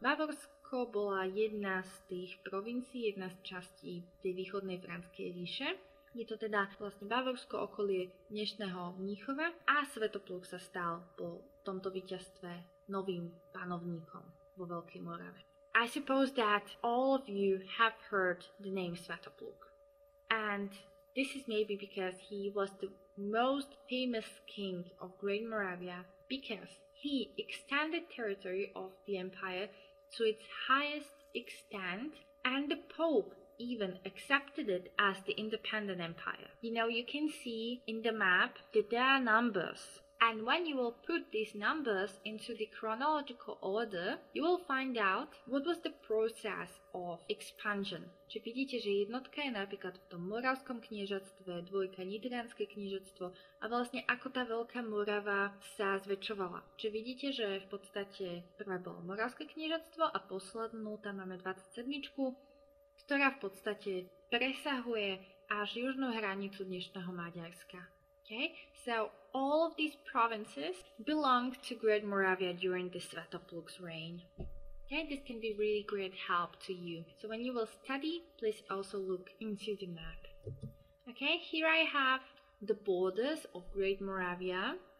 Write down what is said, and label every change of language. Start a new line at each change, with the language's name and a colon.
Slovak: Bavorsko bola jedna z tých provincií, jedna z častí tej východnej franskej ríše. Je to teda vlastne Bavorsko, okolie dnešného Mníchova, a Svetopluk sa stal po tomto víťazstve novým panovníkom vo Veľkej Morave.
English: I suppose that all of you have heard the name Svetopluk. And this is maybe because he was the most famous king of Great Moravia, because he extended territory of the empire to its highest extent, and the Pope even accepted it as the independent empire. You know, you can see in the map that there are numbers, and when you will put these numbers into the chronological order, you will find out what was the process of expansion.
Slovak: Čiže vidíte, že jednotka je napríklad v tom Moravskom kniežatstve, dvojka Nitrianske kniežatstvo a vlastne ako tá Veľká Morava sa zväčšovala. Čiže vidíte, že v podstate prvé bolo Moravské kniežatstvo a poslednú tam máme 27, ktorá v podstate presahuje až južnú hranicu dnešného Maďarska.
English: Okay? So all of these provinces belong to Great Moravia during the Svetopluk's reign. Okay, this can be really great help to you. So when you will study, please also look into the map. Okay, here I have the borders of Great Moravia.